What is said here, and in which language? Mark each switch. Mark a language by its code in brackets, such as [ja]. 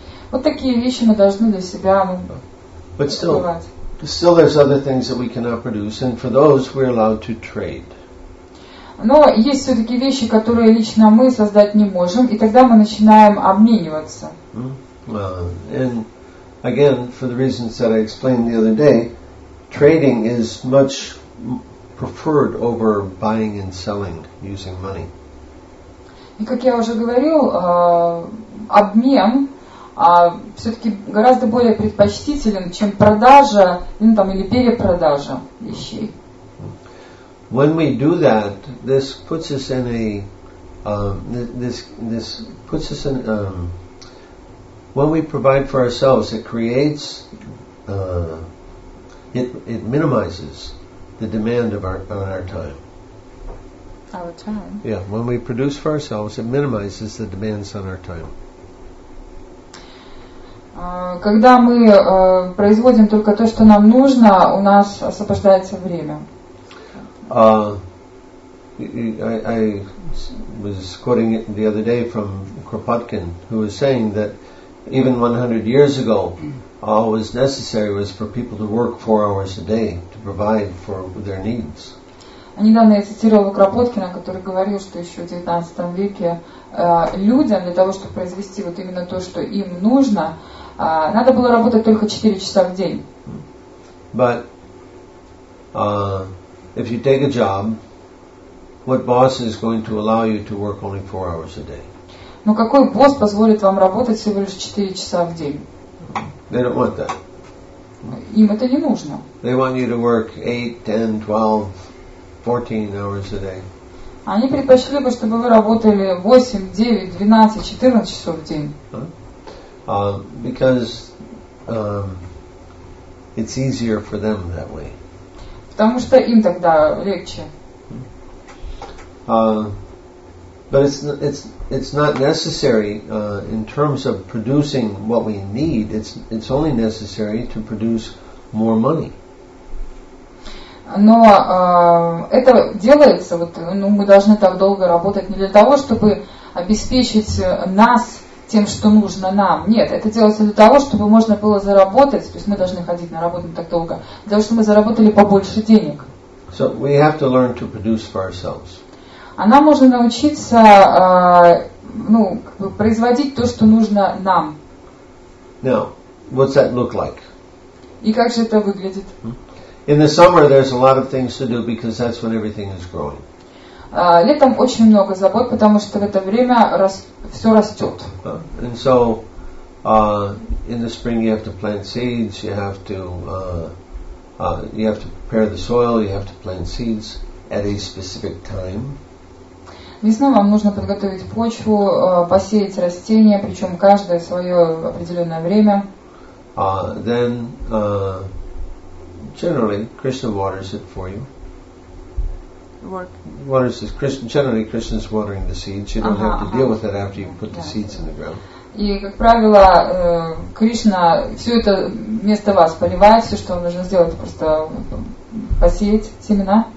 [ru] Вот такие вещи мы должны для себя [en] But still, [ru] добывать. [en] Still there's other things that we cannot produce, and for those we're allowed to trade. [ru] Но есть все-таки вещи, которые лично мы создать не можем, и тогда мы начинаем обмениваться. [en] And again, for the reasons that I explained the other day, trading is much preferred over buying and selling using money. [ru] И как я уже говорил, обмен все-таки гораздо более предпочтителен, чем продажа, или перепродажа вещей. [en] When we do that, this puts us in a this puts us in when we provide for ourselves, it creates it minimizes the demand of our time. Our time. Yeah, when we produce for ourselves, it minimizes the demands on our time. [ru] Когда мы производим только то, что нам нужно, у нас освобождается время. [en] I was quoting it the other day from Kropotkin, who was saying that even 100 years ago, all was necessary was for people to work 4 hours a day to provide for their needs. [ru] Недавно я цитировала Кропоткина, который говорил, что еще в 19 веке людям для того, чтобы произвести вот именно то, что им нужно, надо было работать только 4 часа в день. [en] But if you take a job, what boss is going to allow you to work only 4 hours a day? [ru] Но какой босс позволит вам работать всего лишь 4 часа в день? [en] They don't want that. [ru] Им это не нужно. [en] They want you to work 8, 10, 12, 14 hours a day. [ru] Они предпочли бы, чтобы вы работали 8, 9, 12, 14 часов в день. [en] Because it's easier for them that way. [ru] Потому что им тогда легче. [en] But it's not necessary in terms of producing what we need. It's only necessary to produce more money. [ru] Но это делается вот, ну, мы должны так долго работать не для того, чтобы обеспечить нас тем, что нужно нам. Нет, это делается для того, чтобы можно было заработать. То есть мы должны ходить на работу не так долго для того, чтобы мы заработали побольше денег. [en] So we have to learn to produce for ourselves. [ru] А нам можно научиться ну, как бы производить то, что нужно нам. [en] Now, what's that look like? [ru] И как же это выглядит? [en] In the summer there's a lot of things to do because that's when everything is growing. [ru] Летом очень много забот, потому что в это время все растет. [en] And so in the spring you have to plant seeds, you have to prepare the soil, you have to plant seeds at a specific time. [ru] Весной вам нужно подготовить почву, посеять растения, причем каждое свое определенное время. [en] Then, generally, Krishna waters it for you. Generally, Krishna's watering the seeds. You don't have to deal with it after you put the seeds in the ground. [ru] И, как правило, Кришна все это вместо вас поливает, все, что вам нужно сделать, просто посеять семена.